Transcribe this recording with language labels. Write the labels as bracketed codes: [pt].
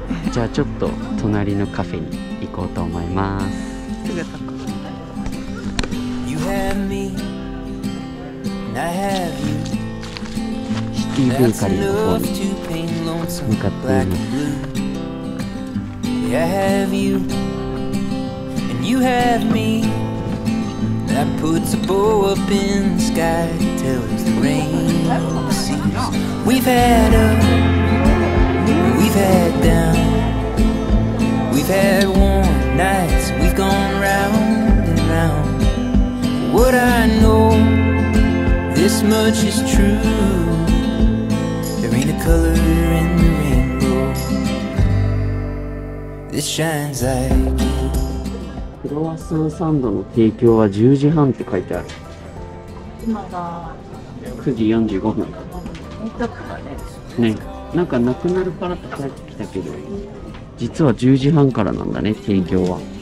[ja] じゃあちょっと隣のカフェに行こうと思います。すぐそこ。 [en] You had me, I have you。 [ja] シティブーカリーの方に向かっています。 [en] I have you, and you have me, that puts a bow up in the sky, tells the rain ceases. We've had up, we've had down. We've had warm nights, we've gone round and round. What I know, this much is true. There ain't a color in the rainbow that shines like you. [ja] クロワッサンサンドの提供は10時半って書いてある。今が 9時45分。見たくない。ね、なんかなくなるからって帰ってきたけど。実は10時半からなんだね、提供は。